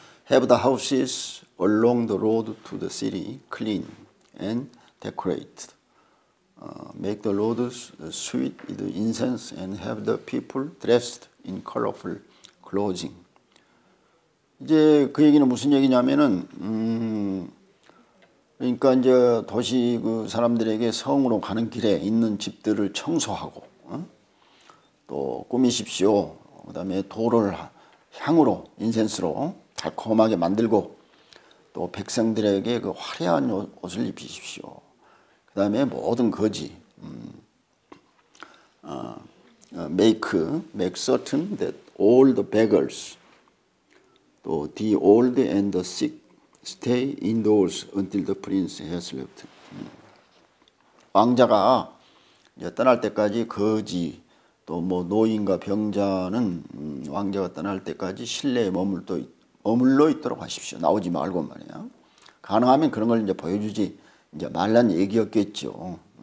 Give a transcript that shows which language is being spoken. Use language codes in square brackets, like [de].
[en] Have the houses along the road to the city clean and decorate. Make the roads sweet with incense and have the people dressed in colorful clothing. [ko] 이제 그 얘기는 무슨 얘기냐면은 그러니까 이제 도시 그 사람들에게 성으로 가는 길에 있는 집들을 청소하고 또 꾸미십시오. 그다음에 도로를 향으로 인센스로 달콤하게 만들고 또 백성들에게 그 화려한 옷을 입히십시오. 그다음에 모든 거지 [en] make certain that all the beggars, [ko] 또 [en] the old and the sick stay indoors until the prince has left. [ko] 왕자가 이제 떠날 때까지 거지 또 뭐 노인과 병자는 왕자가 떠날 때까지 실내에 머물러 있도록 하십시오. 나오지 말고 말이야. 가능하면 그런 걸 이제 보여주지 이제 말란 얘기였겠죠.